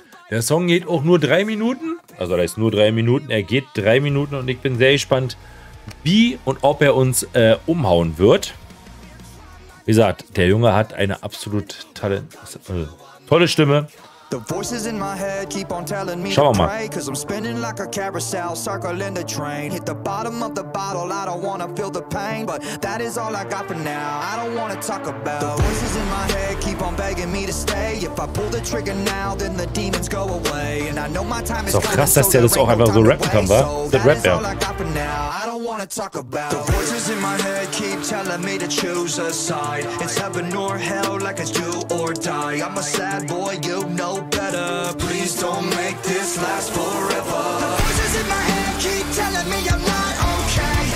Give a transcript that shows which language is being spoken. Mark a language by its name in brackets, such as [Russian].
[German] Der Song geht auch nur 3 Minuten. Also da ist nur 3 Minuten. Er geht 3 Minuten und ich bin sehr gespannt, wie und ob er uns umhauen wird. Wie gesagt, der Junge hat eine absolut tolle Stimme. [English] The voices in my head keep on telling me to pray, cause I'm spinning like a carousel, circling the train. Hit the bottom of the bottle, I don't wanna feel the pain, but that is all I got for now, I don't wanna talk about. The voices in my head keep on begging me to stay, if I pull the trigger now, then the demons go away. And I know my time is coming, [German] krass, dass der das auch einfach so rappen kann, wa? Das Rap, ja. [English] The voices in my head keep telling me to choose a side. It's heaven or hell, like it's do or die. I'm a sad boy, you know better. Please don't make this last forever. The voices in my head keep telling me I'm not okay.